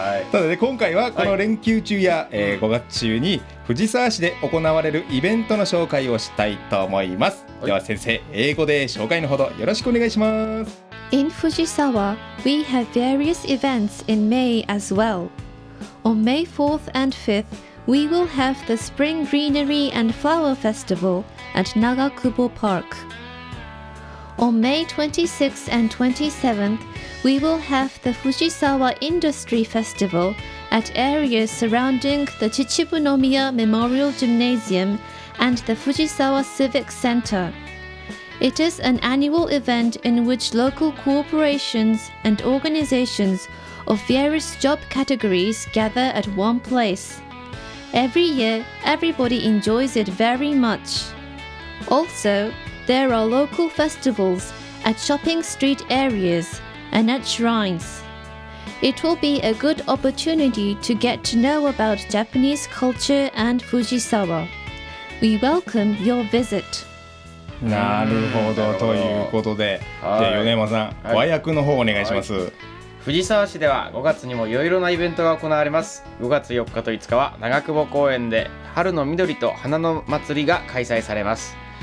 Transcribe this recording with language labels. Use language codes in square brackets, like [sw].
[ja] ただね、今回はこの連休中や、はい、5月中に藤沢市で行われるイベントの紹介をしたいと思います。では先生、英語で紹介のほどよろしくお願いします。 [en] In Fujisawa, we have various events in May as well. On May 4th and 5th, we will have the Spring Greenery and Flower Festival at Nagakubo Park. On May 26th and 27th,We will have the Fujisawa Industry Festival at areas surrounding the Chichibunomiya Memorial Gymnasium and the Fujisawa Civic Center. It is an annual event in which local corporations and organizations of various job categories gather at one place. Every year, everybody enjoys it very much. Also, there are local festivals at shopping street areas. And at shrines. It will be a good opportunity to get to know about Japanese culture and Fujisawa. We welcome your visit. [ja] なるほど、ということで、じゃあ米山さん、はい、和訳の方お願いします、はい、藤沢市では5月にもいろいろなイベントが行われます。 5月4日と5日は長久保公園で春の緑と花の祭りが開催されます。